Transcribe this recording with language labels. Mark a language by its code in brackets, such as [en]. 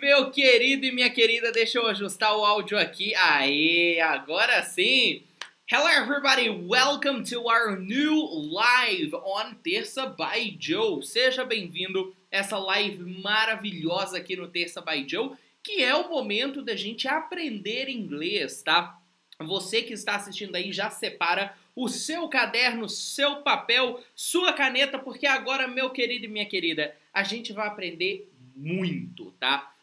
[pt] Meu querido e minha querida, deixa eu ajustar o áudio aqui. Aê, agora sim! [en] Hello, everybody! Welcome to our new live on Terça by Diou. [pt] Seja bem-vindo a essa live maravilhosa aqui no Terça by Diou, que é o momento da gente aprender inglês, tá? Você que está assistindo aí, já separa o seu caderno, seu papel, sua caneta, porque agora, meu querido e minha querida, a gente vai aprender muito, tá?